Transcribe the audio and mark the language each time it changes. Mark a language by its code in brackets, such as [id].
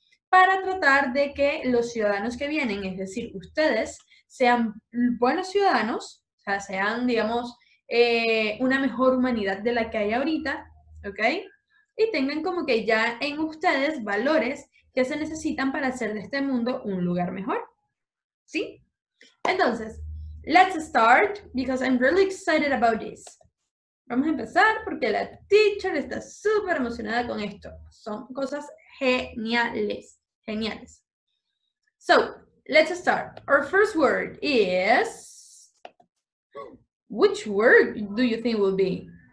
[es] Para tratar de que los ciudadanos que vienen, es decir, ustedes, sean buenos ciudadanos, o sea, sean, digamos, una mejor humanidad de la que hay ahorita, ¿ok? Y tengan como que ya en ustedes valores que se necesitan para hacer de este mundo un lugar mejor, ¿sí? [en] Entonces, let's start because I'm really excited about this. [es] Vamos a empezar porque la teacher está súper emocionada con esto. Son cosas geniales, geniales. [en] So, let's start. Our first word is... Which word do you think will be?